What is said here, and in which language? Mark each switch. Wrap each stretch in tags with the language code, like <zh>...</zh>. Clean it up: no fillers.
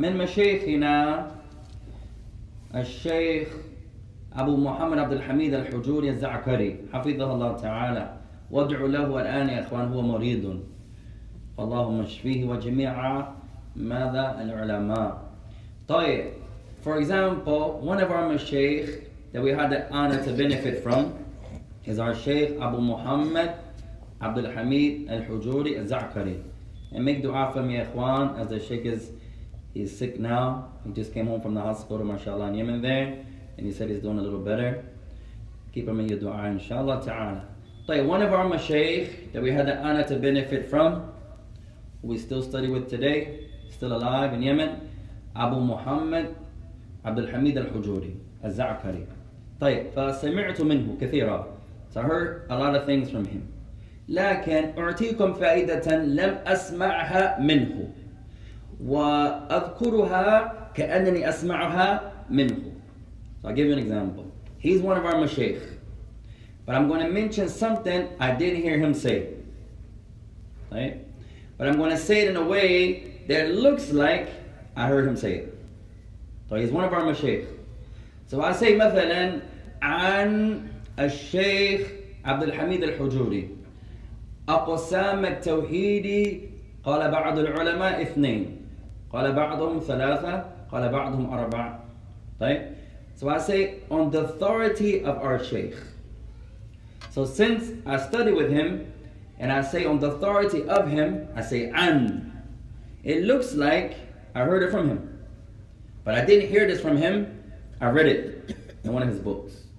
<ar>من مشيخنا الشيخ أبو محمد عبد الحميد الحجوري الزعكري حفظه الله تعالى وادعو له الآن يا إخوان هو مريض اللهم اشفيه وجميع ماذا العلماء.</ar> <en>طيب, for example, one of our مشيخ that we had the honor to benefit from is our Shaykh Abu Muhammad Abdul Hamid Al-Hujuri Al-Za'kari. And make dua for me, Ikhwan, as the Shaykh is sick now. He just came home from the hospital, mashallah, in Yemen there. And he said he's doing a little better. Keep him in your dua, inshallah ta'ala. Okay, one of our mashaykh that we had the honor to benefit from, who we still study with today, still alive in Yemen, Abu Muhammad Abdul Hamid Al-Hujuri Al-Za'kari.</en> <ar>طيب فسمعت منه كثيرا.</ar> <en>So I heard a lot of things from him.</en> <ar>لكن أعطيكم فائدة لم أسمعها منه وأذكرها كأنني أسمعها منه.</ar> <en>So I'll give you an example. He's one of our mashaykh. But I'm going to mention something I didn't hear him say. Right? But I'm going to say it in a way that looks like I heard him say it. So he's one of our mashaykh.</en> <ar>So I say مثلا عن الشيخ عبد الحميد الحجوري أقسام التوحيد قال بعض العلماء اثنين قال بعضهم ثلاثة قال بعضهم أربعة.</ar> <en>طيب, so I say on the authority of our sheikh. So since I study with him and I say on the authority of him, I say عن, it looks like I heard it from him. But I didn't hear this from him. I read it in one of his books.</en>